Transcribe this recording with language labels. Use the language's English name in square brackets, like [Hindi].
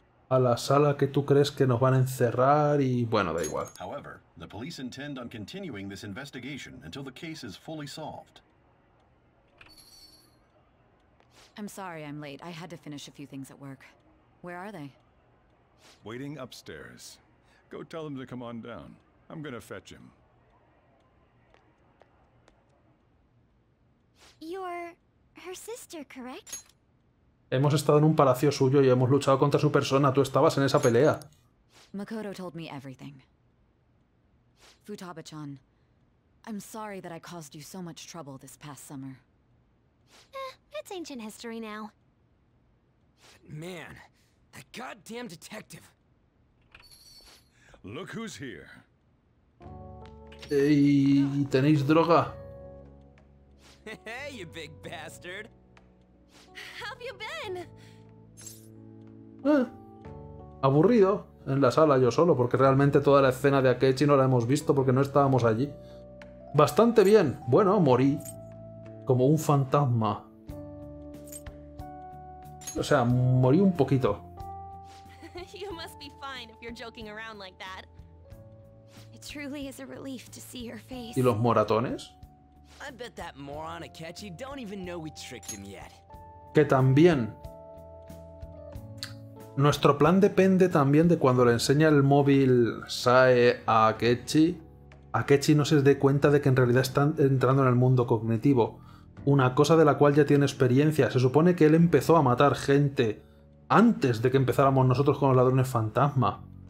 [Spanish] a la sala que tú crees que nos van a encerrar y bueno, da igual. [English] However, the police intend on continuing this investigation until the case is fully solved. I'm sorry I'm late. I had to finish a few things at work. Where are they? Waiting upstairs. Go tell them to come on down. I'm gonna fetch him. You're her sister, correct? [Spanish] Hemos estado en un palacio suyo y hemos luchado contra su persona. Tú estabas en esa pelea. [English] Makoto told me everything. Futaba-chan, I'm sorry that I caused you so much trouble this past summer. It's ancient history now. man. That goddamn detective. Look who's here. [Spanish] Ey, ¿tenéis droga? [English] Hey, you big bastard. How have you been? [Spanish] Aburrido en la sala yo solo, porque realmente toda la escena de Akechi no la hemos visto porque no estábamos allí. Bastante bien. Bueno, morí como un fantasma. O sea, morí un poquito. [English] You must be fine if you're joking around like that. It truly is a relief to see your face. [Spanish] ¿Y los moratones? [English] I bet that moron Akechi don't even know we tricked him yet. [Spanish] Que también. Nuestro plan depende también de cuando le enseña el móvil Sae a Akechi. Akechi no se dé cuenta de que en realidad está entrando en el mundo cognitivo. Una cosa de la cual ya tiene experiencia. Se supone que él empezó a matar gente antes de que empezáramos nosotros con los ladrones fantasma.